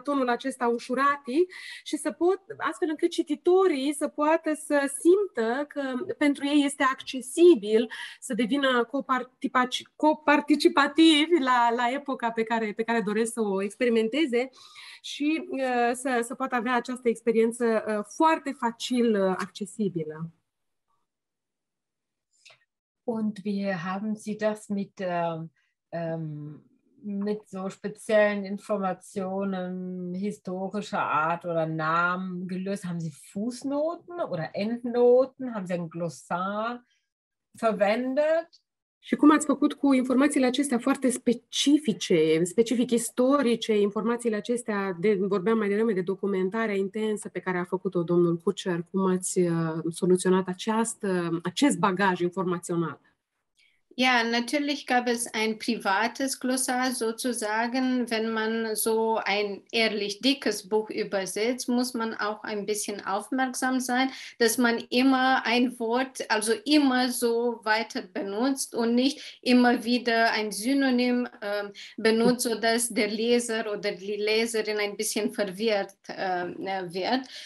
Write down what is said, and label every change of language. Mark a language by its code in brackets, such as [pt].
[ro] Tonul acesta ușuratic, și să pot, astfel încât cititorii să poată să simtă că pentru ei este accesibil să devină coparticipativ la epoca pe care doresc să o experimenteze și să poată avea această experiență foarte facil accesibilă. [de] Und wie haben Sie das mit so speziellen Informationen historischer Art oder Namen gelöst? Haben Sie Fußnoten oder Endnoten? Haben Sie ein Glossar verwendet? [ro] Și cum ați făcut cu informațiile acestea foarte specifice, specific istorice, informațiile acestea, vorbeam mai devreme de documentarea intensă pe care a făcut-o domnul Kutscher, cum ați soluționat acest bagaj informațional? [de] Ja, natürlich gab es ein privates Glossar sozusagen. Wenn man so ein ehrlich dickes Buch übersetzt, muss man auch ein bisschen aufmerksam sein, dass man immer ein Wort, also immer so weiter benutzt und nicht immer wieder ein Synonym benutzt, sodass der Leser oder die Leserin ein bisschen verwirrt wird.